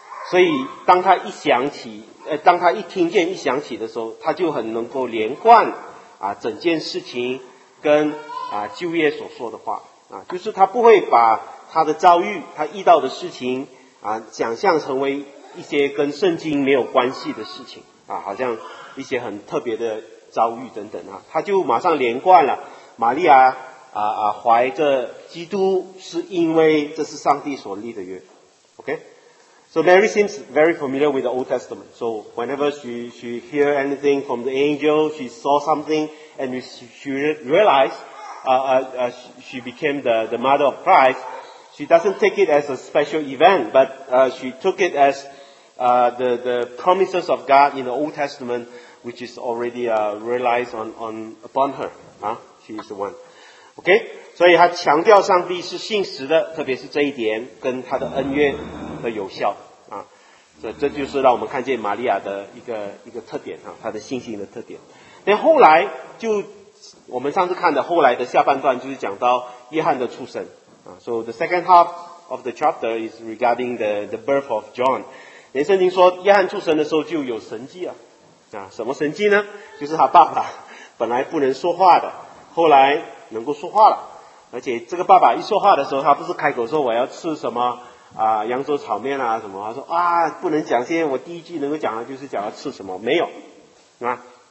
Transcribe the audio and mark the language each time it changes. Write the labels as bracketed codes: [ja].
[zh] 所以当她一想起当她一听见一想起的时候，她就很能够连贯啊整件事情跟啊旧约所说的话啊，就是她不会把她的遭遇她遇到的事情啊想象成为一些跟圣经没有关系的事情啊，好像一些很特别的遭遇等等啊，他就马上连贯了。玛利亚怀着基督，是因为这是上帝所立的约。 [en] OK， so Mary seems very familiar with the Old Testament. So whenever she hear anything from the angel, she saw something, and she realized she became the mother of Christ. She doesn't take it as a special event, but she took it as the promises of God in the Old Testament, which is already realized on upon her. She is the one. Okay? [zh] 所以他强调上帝是信实的，特别是这一点跟他的恩约的有效啊。这就是让我们看见玛利亚的一个特点啊，他的信心的特点。那后来就我们上次看的后来的下半段就是讲到约翰的出生啊。 [en] So the second half of the chapter is regarding the birth of John. [zh] 连圣经说约翰出生的时候就有神迹啊，什么神迹呢？就是他爸爸本来不能说话的，后来能够说话了，而且这个爸爸一说话的时候，他不是开口说我要吃什么扬州炒面啊什么，他说啊不能讲，现在我第一句能够讲的就是讲要吃什么，没有啊。